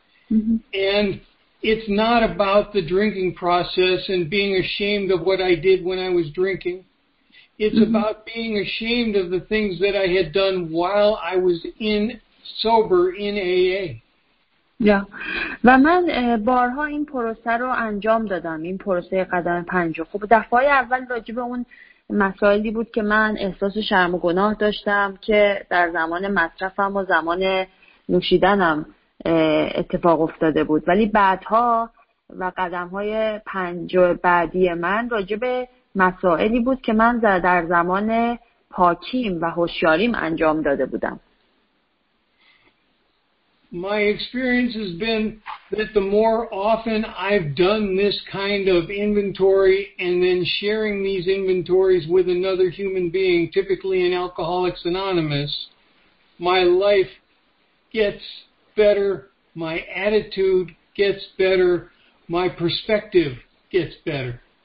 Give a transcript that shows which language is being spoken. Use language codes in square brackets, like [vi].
[en] Mm-hmm. And it's not about the drinking process and being ashamed of what I did when I was drinking. It's mm-hmm. about being ashamed of the things that I had done while I was in sober in AA. Yeah. [fa] و من بارها این پروسه رو انجام دادم، این پروسه قدم 5. خب دفعه اول راجع به اون مسائلی بود که من احساس شرم و گناه داشتم که در زمان مصرفم و زمان نوشیدنم اتفاق افتاده بود، ولی بعدها و قدم‌های 5 بعدی من راجع به مسائلی بود که من در زمان پاکیم و هوشیاریم انجام داده بودم. [en] My experience has been that the more often I've done this kind of inventory and then sharing these inventories with another human being, typically in Alcoholics Anonymous, my life gets better, my attitude gets better, my perspective gets better.